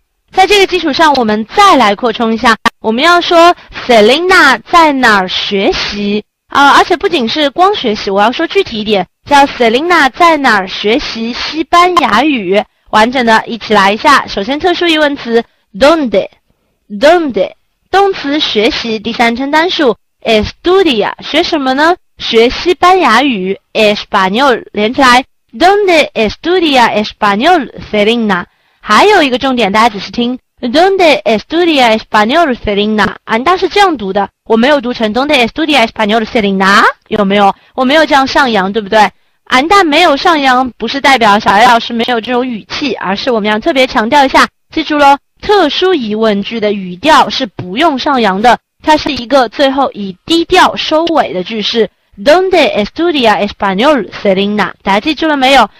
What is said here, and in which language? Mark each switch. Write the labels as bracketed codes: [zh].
[zh] 在这个基础上我们再来扩充一下，我们要说 Selena 在哪儿学习啊，而且不仅是光学习，我要说具体一点，叫 Selena 在哪儿学习西班牙语，完整的一起来一下。首先特殊疑问词 donde 动词学习第三称单数 estudia， 学什么呢？学西班牙语 español， 连起来 [es] donde estudia español Selena。 [zh] 还有一个重点，大家仔细听 ， [es] ¿Dónde estudia español Selena？ [zh] 难道是这样读的？我没有读成 [es] ¿Dónde estudia español Selena？ [zh] 有没有？我没有这样上扬，对不对？俺但没有上扬，不是代表小 A 老师没有这种语气，而是我们要特别强调一下，记住咯，特殊疑问句的语调是不用上扬的，它是一个最后以低调收尾的句式。 [es] Donde estudia español, Selena? [zh] 大家记住了没有？